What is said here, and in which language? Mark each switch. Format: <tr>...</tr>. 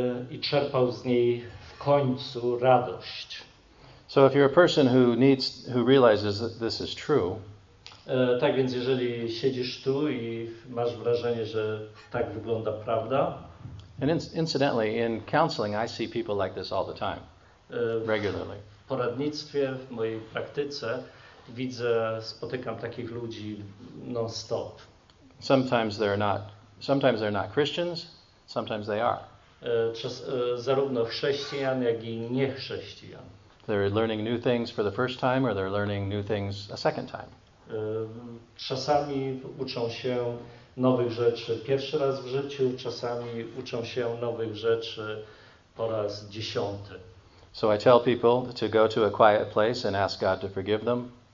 <pl>I czerpał z niej w końcu radość.</pl> <en>So if you're a person who realizes that this is true.</en> <pl>Tak więc jeżeli siedzisz tu i masz wrażenie, że tak wygląda prawda.</pl> <en>And incidentally, in counseling I see people like this all the time. Regularly.</en> <pl>W poradnictwie, w mojej praktyce spotykam takich ludzi non stop.</pl> <en>Sometimes they're not Christians, sometimes they are.</en> <pl>Zarówno chrześcijan, jak i niechrześcijan.</pl> <en>They're learning new things for the first time, or they're learning new things a second time.</en> <pl>Czasami uczą się nowych rzeczy pierwszy raz w życiu, czasami uczą się nowych rzeczy po raz dziesiąty.</pl> <en>So I tell people to go to a quiet place and ask God to forgive them.</en>